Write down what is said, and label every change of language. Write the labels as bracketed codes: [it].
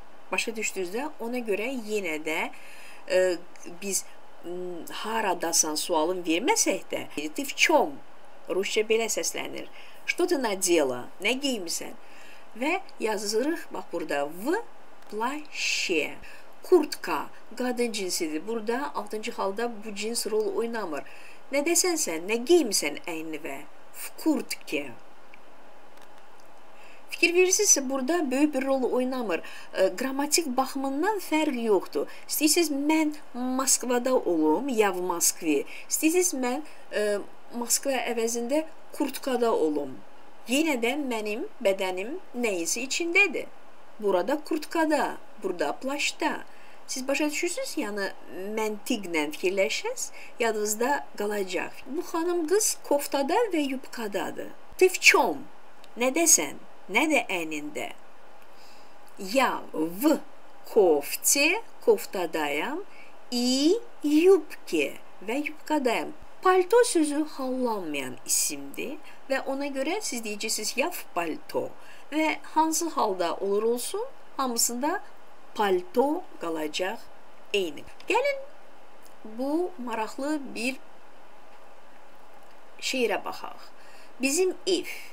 [az] Başa düşdüyünüzdə, ona görə yenə də biz haradasan sualın verməsək də [ru] ты в чём? [az] Rusça belə səslənir. [ru] Что ты надела? [az] Nə giymisən? Və yazırıq, bax burada [ru] в плаще. [az] Куртка, qadın cinsidir. Burada 6-cı halda bu cins rol oynamır. Nə desən sən? Nə giymisən əynivə? [ru] В куртке. [az] Fikir verirsinizsə, burada böyük bir rol oynamır. Qramatik baxımından fərq yoxdur. İstəyirsiniz, mən Moskvada olum, [ru] я в Москве. [az] İstəyirsiniz, mən Moskva əvəzində kurtkada olum. Yenə də mənim bədənim nəyisə içindədir. Burada kurtkada, burada plaşda. Siz başa düşürsünüz, yəni məntiqlə fikirləşəsiniz, yadınızda qalacaq. Bu xanım qız koftada və yubkadadır. [ru] Ты в чём? [az] Nə desən? Nə də ənində? [ru] Я в кофте, [az] кофтадаям, [ru] и юбке [az] və юбкадаям. Пальто сөзü hallanmayan isimdir və ona görə siz deyəcəksiniz [ru] я в пальто [az] və hansı halda olur olsun, hamısında пальто qalacaq eyni. Gəlin bu maraqlı bir şeirə baxaq. Bizim ev.